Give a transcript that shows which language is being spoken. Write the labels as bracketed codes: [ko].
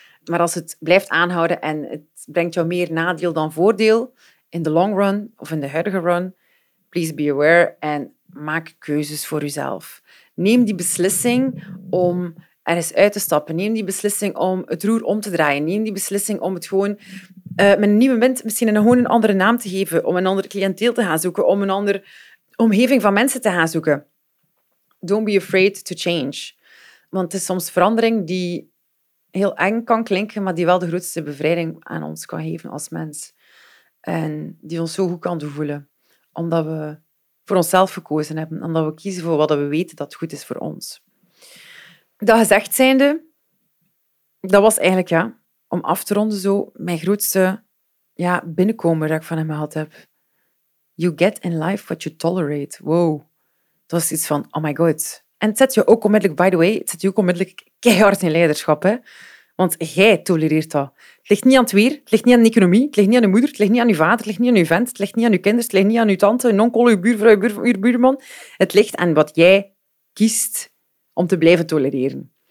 [nl] Maar als het blijft aanhouden en het brengt jou meer nadeel dan voordeel, in de [en] long run [nl] of in de huidige run, [en] please be aware [nl] en maak keuzes voor jezelf. Neem die beslissing om er eens uit te stappen. Neem die beslissing om het roer om te draaien. Neem die beslissing om het gewoon met een nieuwe wind misschien gewoon een andere naam te geven, om een andere cliënteel te gaan zoeken, om een andere omgeving van mensen te gaan zoeken. [en] Don't be afraid to change. [nl] Want het is soms verandering die heel eng kan klinken, maar die wel de grootste bevrijding aan ons kan geven als mens. En die ons zo goed kan doen voelen, omdat we voor onszelf gekozen hebben, omdat we kiezen voor wat we weten dat goed is voor ons. Dat gezegd zijnde, dat was eigenlijk, ja, om af te ronden zo, mijn grootste binnenkomer dat ik van hem gehad heb. [en] You get in life what you tolerate. [nl] Wow. Dat was iets van, [en] oh my god. [nl] En het zet je ook onmiddellijk, [en] by the way, [nl] het zet je ook onmiddellijk keihard in leiderschap, hè. Want jij tolereert dat. Het ligt niet aan het weer, het ligt niet aan de economie, het ligt niet aan je moeder, het ligt niet aan je vader, het ligt niet aan je vent, het ligt niet aan je kinderen, het ligt niet aan je tante, je onkel, je buurvrouw, je buurman. Het ligt aan wat jij kiest om te blijven tolereren.